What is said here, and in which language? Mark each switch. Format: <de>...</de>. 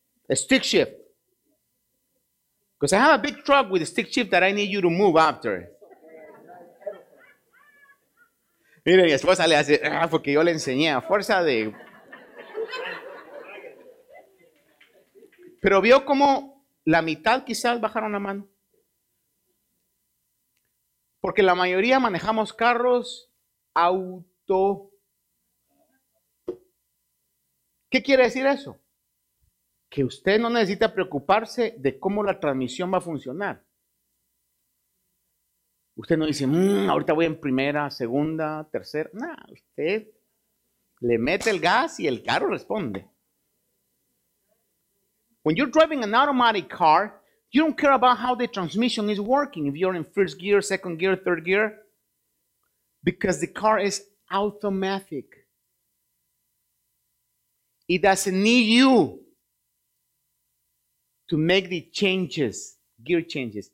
<en>A stick shift. Because I have a big truck with a stick shift that I need you to move after.</en> <es>Mira, mi esposa le hace, porque yo le enseñé a fuerza de... Pero vio como la mitad quizás bajaron la mano. Porque la mayoría manejamos carros auto. ¿Qué quiere decir eso? Que usted no necesita preocuparse de cómo la transmisión va a funcionar. Usted no dice, ahorita voy en primera, segunda, tercera. No, usted le mete el gas y el carro responde.</es> <en>When you're driving an automatic car, you don't care about how the transmission is working, if you're in first gear, second gear, third gear, because the car is automatic. It doesn't need you to make the changes, gear changes.</en>